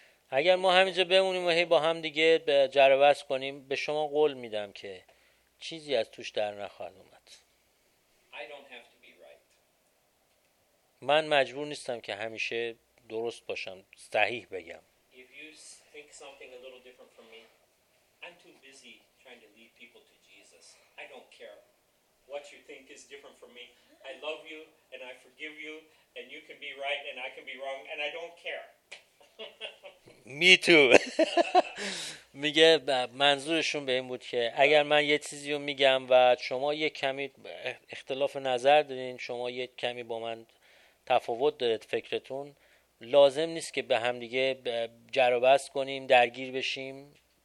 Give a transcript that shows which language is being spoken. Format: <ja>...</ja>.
<fa>اگر ما همینجا بمونیم و هی با هم دیگه جربس کنیم، به شما قول میدم که چیزی از توش در نخواهد اومد.</fa> <en>I don't have to be right.</en> <fa>من مجبور نیستم که همیشه درست باشم، صحیح بگم.</fa> <en>If you think something a little different from me, I'm too busy trying to lead people to Jesus. I don't care what you think is different from me. I love you and I forgive you and you can be right and I can be wrong and I don't care. Me too.</en> <fa>میگه منظورشون به این بود که اگر من یه چیزی رو میگم و شما یه کمی اختلاف نظر دارین، شما یه کمی با من تفاوت دارید فکرتون، لازم نیست که به هم دیگه جر و بحث کنیم، درگیر بشیم.</fa>